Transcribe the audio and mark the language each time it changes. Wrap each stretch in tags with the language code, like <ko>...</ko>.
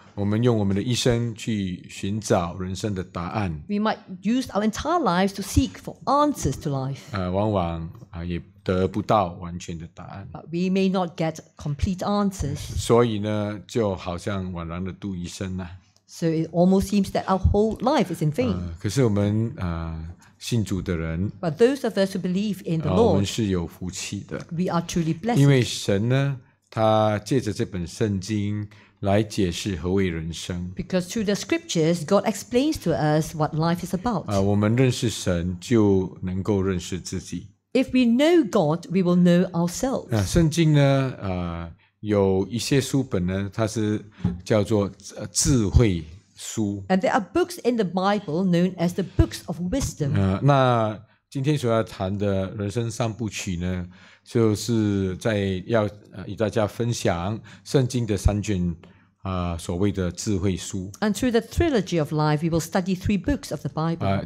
<zh>我们用我们的一生去寻找人生的答案。</zh> <en>We might use our entire lives to seek for answers to life.</en> <zh>往往也得不到完全的答案。</zh> <en>But we may not get complete answers.</en> <zh>所以呢，就好像枉然的度一生啊。</zh> <en>So it almost seems that our whole life is in vain.</en> <zh>可是我们信主的人,</zh> <en>but those of us who believe in the Lord,</en> <zh>我们是有福气的,</zh> <en>we are truly blessed.</en> <zh>因为神呢, 祂借着这本圣经来解释何谓人生。</zh> <en>Because through the scriptures, God explains to us what life is about.</en> <zh>我们认识神就能够认识自己。</zh> <en>If we know God, we will know ourselves.</en> <zh>圣经呢, 有一些书本呢, 它是叫做智慧。书,</zh> <en>and there are books in the Bible known as the books of wisdom.</en> <zh>那今天所要谈的人生三部曲呢，就是在要与大家分享圣经的三卷所谓的智慧书。</zh> <en>And through the trilogy of life, we will study three books of the Bible.</en>